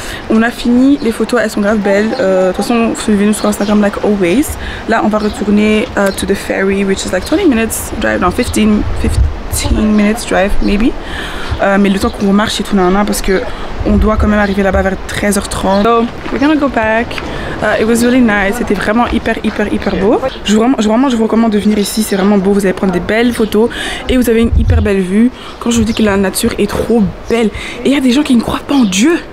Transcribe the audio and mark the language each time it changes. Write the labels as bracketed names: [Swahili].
[French] On a fini les photos, elles sont grave belles. De toute façon, suivez-nous sur Instagram [English] like always. [French] Là on va retourner [English] to the ferry, which is like 15 minutes drive maybe. [French] Mais le temps qu'on marche et tout nanana, parce que on doit quand même arriver là-bas vers 13h30. [English] So we're gonna go back. It was really nice. [French] C'était vraiment hyper beau. Je vous recommande de venir ici. C'est vraiment beau. Vous allez prendre des belles photos et vous avez une hyper belle vue. Quand je vous dis que la nature est trop belle et il y a des gens qui ne croient pas en Dieu.